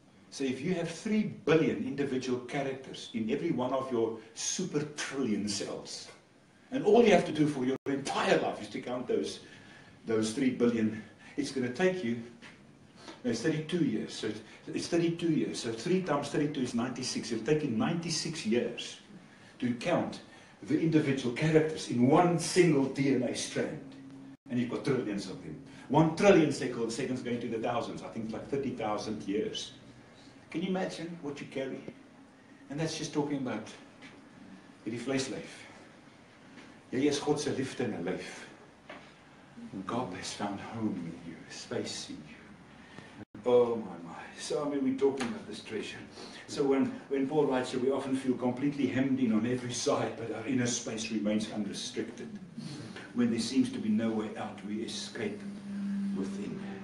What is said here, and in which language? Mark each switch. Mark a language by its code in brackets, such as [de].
[en] So if you have 3 billion individual characters in every one of your super trillion cells, and all you have to do for your entire life is to count those 3 billion, it's going to take you, it's 32 years, so it's 32 years, so 3 times 32 is 96, it'll take you 96 years to count the individual characters in one single DNA strand. And you've got trillions of them. 1 trillion seconds going to the thousands. I think it's like 30,000 years. Can you imagine what you carry? And that's just talking about your flesh life. [af] Jy is God se liefde in 'n lyf. [en] God has found home in you, space in you. Oh my, my. So, I mean, we're talking about this treasure. So when Paul writes here, we often feel completely hemmed in on every side, but our inner space remains unrestricted. When there seems to be no way out, we escape within.